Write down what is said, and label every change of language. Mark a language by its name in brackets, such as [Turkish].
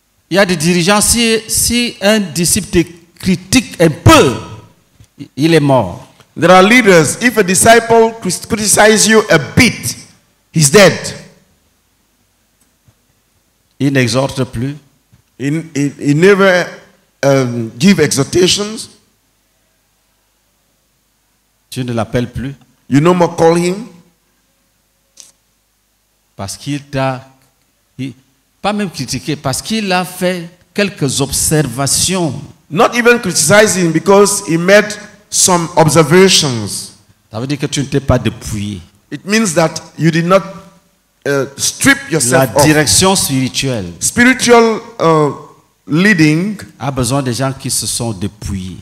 [French] Il y a des dirigeants, si un disciple te critique un peu, il est mort. [English] There are leaders, if a disciple criticizes you a bit, he's dead. [French] Il n'exhorte plus. [English] He never give exhortations. [French] Tu ne l'appelles plus. [English] You no more call him. [French] Parce qu'il t'a, pas même critiqué, parce qu'il a fait quelques observations. [English] Not even criticizing because he made some observations. [French] Ça veut dire que tu ne t'es pas dépouillé. [English] It means that you did not strip yourself. [French] La direction spirituelle. [English] Spiritual leading [French] a besoin des gens qui se sont dépouillés.